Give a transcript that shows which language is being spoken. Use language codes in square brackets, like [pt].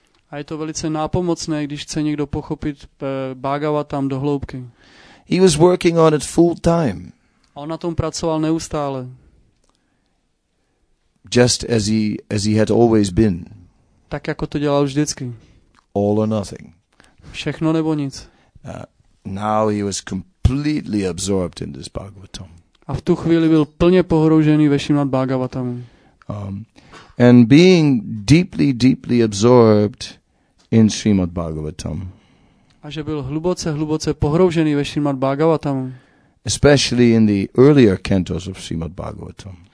[cs] A je to velice nápomocné, když chce někdo pochopit Bhagavatam do hloubky. [en] He was working on it full time. [cs] A on na tom pracoval neustále. [en] Just as he had always been. [cs] Tak jako to dělal vždycky. [en] All or nothing. [cs] Všechno nebo nic. [en] Now he was completely absorbed in this Bhagavatam. [cs] A v tu chvíli byl plně pohroužený ve Srimad Bhagavatam. [en] And being deeply, deeply absorbed in Srimad Bhagavatam. [cs] A že byl hluboce, hluboce pohroužený ve Srimad Bhagavatam. [en] Especially in the earlier cantos of Srimad Bhagavatam.